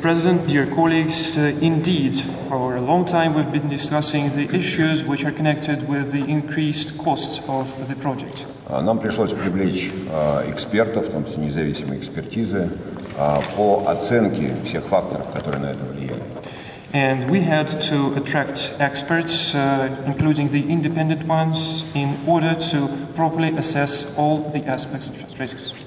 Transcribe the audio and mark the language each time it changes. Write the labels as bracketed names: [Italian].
[English] President, dear colleagues, indeed, for a long time we've been discussing the issues which are connected with the increased costs of the project. [Russian] Нам пришлось привлечь экспертов, в том числе независимые экспертизы, по оценке всех факторов, которые на это влияли. [English] And we had to attract experts, including the independent ones, in order to properly assess all the aspects of risks.